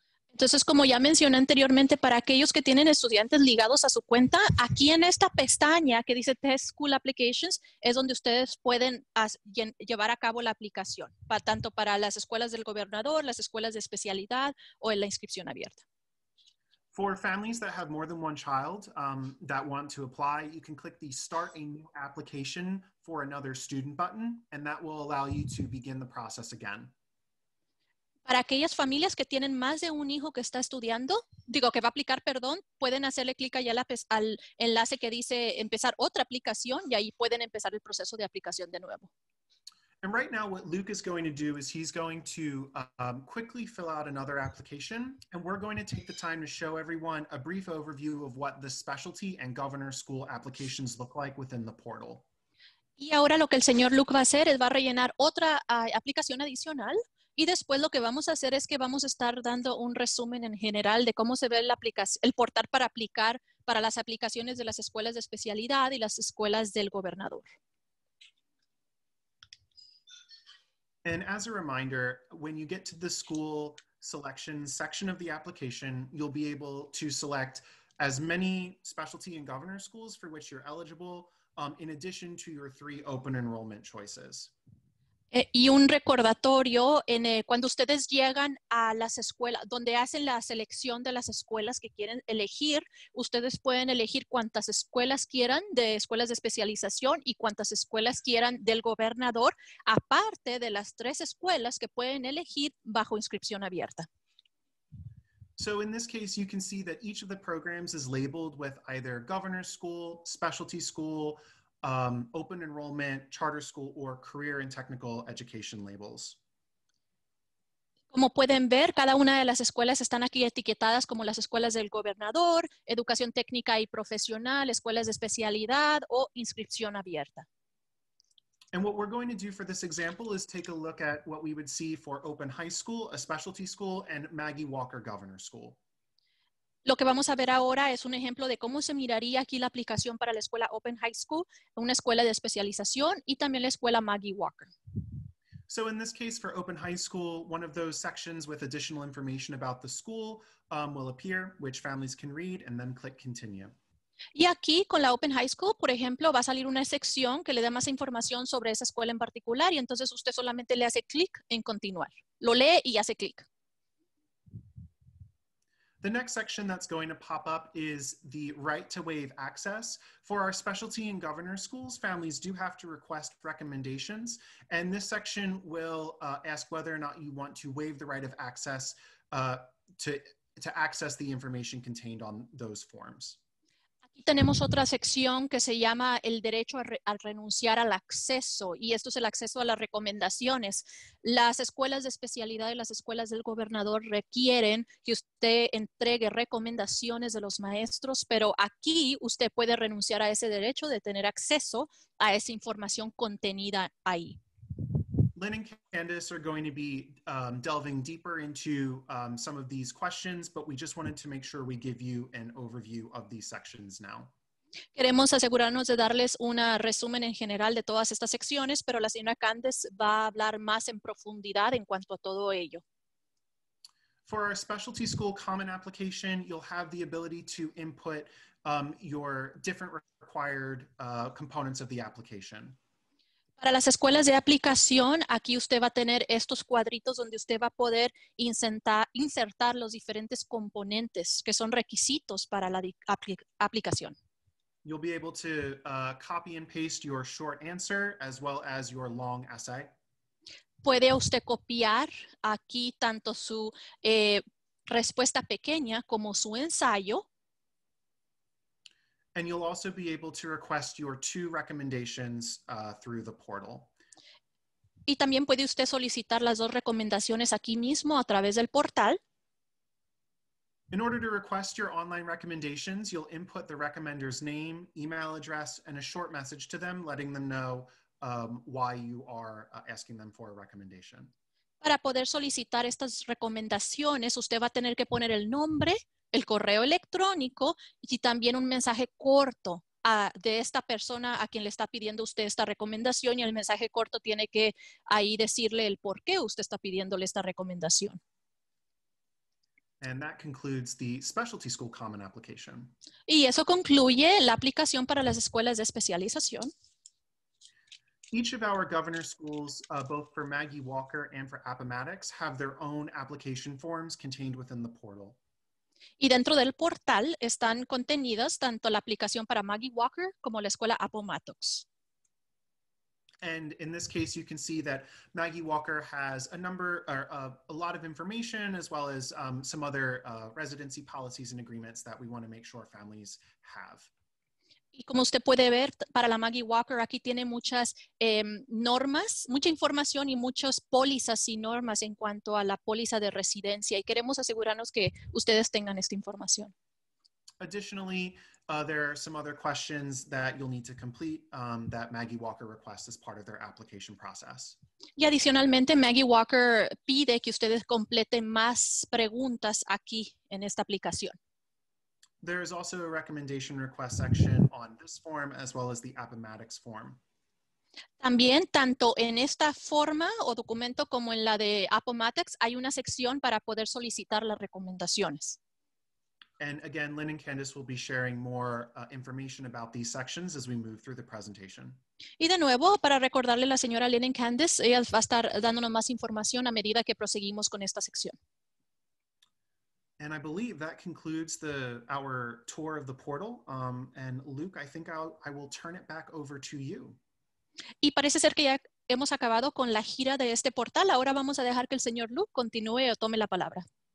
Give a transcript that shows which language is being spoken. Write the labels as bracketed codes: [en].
[es] Entonces, como ya mencioné anteriormente, para aquellos que tienen estudiantes ligados a su cuenta, aquí en esta pestaña que dice Test School Applications es donde ustedes pueden llevar a cabo la aplicación, tanto para las escuelas del gobernador, las escuelas de especialidad o en la inscripción abierta. [en] For families that have more than one child that want to apply, you can click the Start a New Application for Another Student button, and that will allow you to begin the process again. [es] Para aquellas familias que tienen más de un hijo que está estudiando, digo, que va a aplicar, perdón, pueden hacerle clic allá al enlace que dice empezar otra aplicación y ahí pueden empezar el proceso de aplicación de nuevo. [en] And right now what Luke is going to do is he's going to quickly fill out another application and we're going to take the time to show everyone a brief overview of what the specialty and governor school applications look like within the portal. [es] Y ahora lo que el señor Luke va a hacer es va a rellenar otra aplicación adicional. Y después lo que vamos a hacer es que vamos a estar dando un resumen en general de cómo se ve el portal para aplicar para las aplicaciones de las escuelas de especialidad y las escuelas del gobernador. [en] And as a reminder, when you get to the school selection section of the application, you'll be able to select as many specialty and governor schools for which you're eligible, in addition to your 3 open enrollment choices. [es] Y un recordatorio, cuando ustedes llegan a las escuelas, donde hacen la selección de las escuelas que quieren elegir, ustedes pueden elegir cuantas escuelas quieran de escuelas de especialización y cuantas escuelas quieran del gobernador, aparte de las 3 escuelas que pueden elegir bajo inscripción abierta. [en] So in this case, you can see that each of the programs is labeled with either governor's school, specialty school, open enrollment, charter school, or career and technical education labels. [es] Como pueden ver, cada una de las escuelas están aquí etiquetadas como las escuelas del gobernador, educación técnica y profesional, escuelas de especialidad o inscripción abierta. [en] And what we're going to do for this example is take a look at what we would see for open high school, a specialty school, and Maggie Walker Governor School. [es] Lo que vamos a ver ahora es un ejemplo de cómo se miraría aquí la aplicación para la escuela Open High School, una escuela de especialización y también la escuela Maggie Walker. [en] So in this case for Open High School, one of those sections with additional information about the school will appear, which families can read and then click continue. [es] Y aquí con la Open High School, por ejemplo, va a salir una sección que le da más información sobre esa escuela en particular y entonces usted solamente le hace clic en continuar. Lo lee y hace clic. [en] The next section that's going to pop up is the right to waive access. For our specialty and governor schools, families do have to request recommendations. And this section will ask whether or not you want to waive the right of access to access the information contained on those forms. [es] Aquí tenemos otra sección que se llama el derecho a renunciar al acceso. Y esto es el acceso a las recomendaciones. Las escuelas de especialidad y las escuelas del gobernador requieren que usted entregue recomendaciones de los maestros, pero aquí usted puede renunciar a ese derecho de tener acceso a esa información contenida ahí. [en] Lynn and Candace are going to be delving deeper into some of these questions, but we just wanted to make sure we give you an overview of these sections now. [es] Queremos asegurarnos de darles un resumen en general de todas estas secciones, pero la señora Candace va a hablar más en profundidad en cuanto a todo ello. [en] For our specialty school common application, you'll have the ability to input your different required components of the application. [es] Para las escuelas de aplicación, aquí usted va a tener estos cuadritos donde usted va a poder insertar los diferentes componentes que son requisitos para la aplicación. [en] You'll be able to copy and paste your short answer as well as your long essay. [es] Puede usted copiar aquí tanto su respuesta pequeña como su ensayo. [en] And you'll also be able to request your two recommendations through the portal. [es] Y también puede usted solicitar las dos recomendaciones aquí mismo a través del portal. [en] In order to request your online recommendations, you'll input the recommender's name, email address, and a short message to them, letting them know why you are asking them for a recommendation. [es] Para poder solicitar estas recomendaciones, usted va a tener que poner el nombre, el correo electrónico y también un mensaje corto de esta persona a quien le está pidiendo usted esta recomendación y el mensaje corto tiene que ahí decirle el por qué usted está pidiéndole esta recomendación. [en] And that concludes the specialty school common application. [es] Y eso concluye la aplicación para las escuelas de especialización. [en] Each of our governor schools, both for Maggie Walker and for Appomattox, have their own application forms contained within the portal. [es] Y dentro del portal están contenidas tanto la aplicación para Maggie Walker como la escuela Appomattox. And in this case, you can see that Maggie Walker has a number or a lot of information as well as some other residency policies and agreements that we want to make sure families have. Y como usted puede ver, para la Maggie Walker aquí tiene muchas normas, mucha información y muchas pólizas y normas en cuanto a la póliza de residencia. Y queremos asegurarnos que ustedes tengan esta información. [en] Additionally, there are some other questions that you'll need to complete that Maggie Walker requests as part of their application process. [es] Y adicionalmente, Maggie Walker pide que ustedes completen más preguntas aquí en esta aplicación. [en] There is also a recommendation request section on this form as well as the Appomattox form. [es] También, tanto en esta forma o documento como en la de Appomattox, hay una sección para poder solicitar las recomendaciones. [en] And again, Lynn and Candace will be sharing more information about these sections as we move through the presentation. [es] Y de nuevo, para recordarle a la señora Lynn and Candace, ella va a estar dándonos más información a medida que proseguimos con esta sección. [en] And I believe that concludes our tour of the portal. And Luke, I think I will turn it back over to you. [es] Y parece ser que ya hemos acabado con la gira de este portal. Ahora vamos a dejar que el señor Luke continúe o tome la palabra.